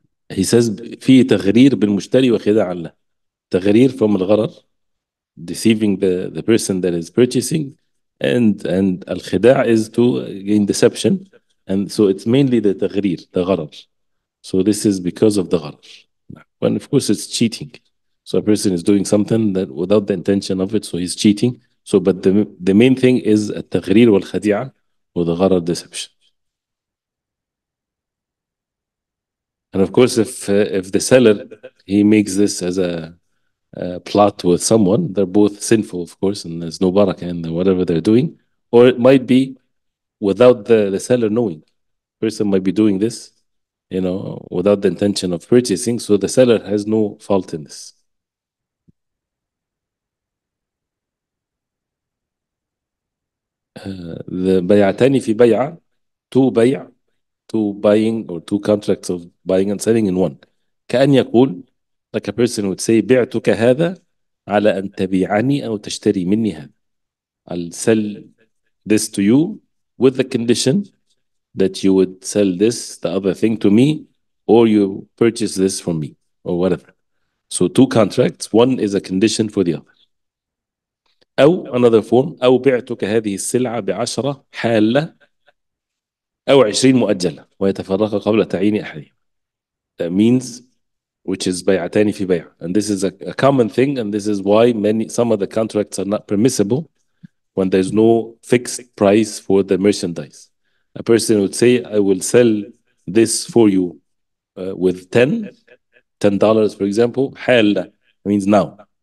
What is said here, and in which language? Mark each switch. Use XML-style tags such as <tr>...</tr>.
<en>He says</en> <ar>في تغرير بالمشتري وخداع له. تغرير from الغرر.</ar> <en>Deceiving the person that is purchasing and al-khida' is to gain deception, and so it's mainly the taghrir, the gharar. So this is because of the gharar. When of course it's cheating, so a person is doing something that without the intention of it, so he's cheating. So but the main thing is al-taghrir wal-khadi'ah or the gharar, deception. And of course if the seller, he makes this as a plot with someone, they're both sinful, of course, and there's no barakah in whatever they're doing. Or it might be without the seller knowing. Person might be doing this, you know, without the intention of purchasing, so the seller has no fault in this. The بيعتان في بيع, two بيع, two buying or two contracts of buying and selling in one.</en> <ar>كأن يقول,</ar> <en>like a person would say,</en> <ar>بعتك هذا على أن تبيعني أو تشتري مني هذا.</ar> <en>I'll sell this to you with the condition that you would sell this, the other thing to me, or you purchase this from me, or whatever. So two contracts, one is a condition for the other.</en> <ar>أو</ar> <en>another form,</en> <ar>أو بعتك هذه السلعة بعشرة حالة أو عشرين مؤجلة ويتفرق قبل تعيين أحد.</ar> <en>That means, which is بيعتان في بيع. And this is a common thing, and this is why some of the contracts are not permissible when there's no fixed price for the merchandise. A person would say, I will sell this for you with $10, for example, حالة, means now.</en>